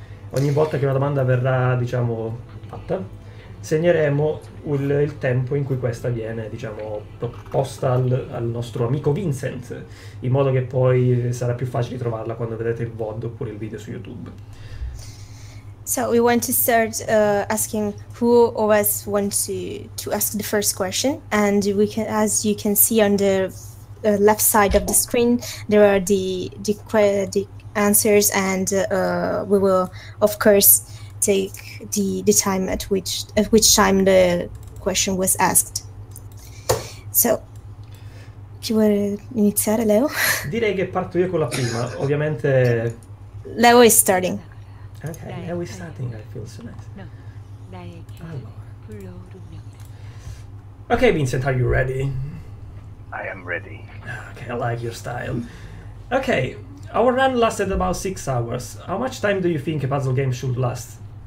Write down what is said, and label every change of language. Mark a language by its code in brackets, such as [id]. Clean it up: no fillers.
[it] Ogni volta che una domanda verrà, diciamo, fatta, segneremo il tempo in cui questa viene, diciamo, posta al nostro amico Vincent, in modo che poi sarà più facile trovarla quando vedrete il VOD oppure il video su YouTube. [en] So we want to start asking who of us wants to ask the first question. And we can, as you can see on the left side of the screen, there are the answers, and we will of course take the time at which time the question was asked. [it] So, chi vuole iniziare, Leo? Direi che parto io con la prima, ovviamente. [en] Leo is starting. Ok, now we're starting, I feel so nice. [it] No, dai, Allora. [en] Ok, Vincent, are you ready? I am ready. Ok, I like your style. Ok, our run lasted about 6 hours. How much time do you think a puzzle game should last?